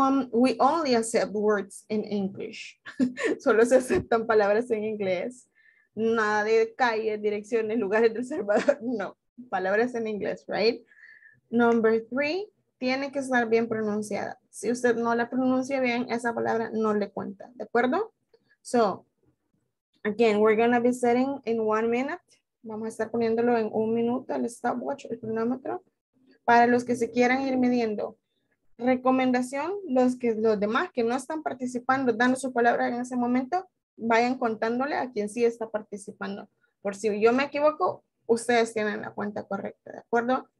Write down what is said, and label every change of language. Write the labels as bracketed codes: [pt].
[en] We only accept words in English. [es] Solo se aceptan palabras en inglés. Nada de calles, direcciones, lugares de Salvador. No, palabras en inglés, [en] right? Number three, [es] tiene que estar bien pronunciada. Si usted no la pronuncia bien, esa palabra no le cuenta, ¿de acuerdo? [en] So, again, we're going to be setting in 1 minute. [es] Vamos a estar poniéndolo en 1 minuto, el stopwatch, el cronómetro. Para los que se quieran ir midiendo, recomendación, los demás que no están participando, dando su palabra en ese momento, vayan contándole a quien sí está participando. Por si yo me equivoco, ustedes tienen la cuenta correcta, ¿de acuerdo?